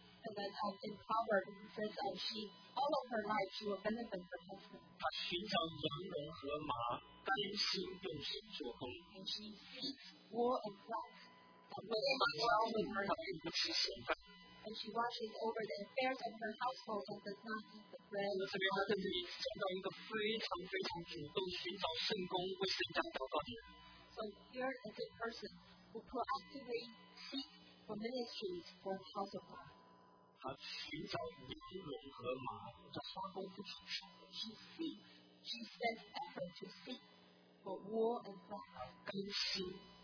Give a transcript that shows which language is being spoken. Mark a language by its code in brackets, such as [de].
[en] And then in Proverbs it says that she all of her life she will benefit her husband. [zh] 他寻找羊绒和麻，甘心用心做工。 [en] And she seeks wool and flax that will end well with her husband. And she watches over the affairs of her household and does not eat the bread. [zh] 那这边他这里讲到一个非常非常主动寻找圣工为神家祷告的人。 [en] So here is a person who proactively seek for ministries for the house of God. [zh] 他寻找羊绒和麻, [en] she spends effort to seek for wool and flax.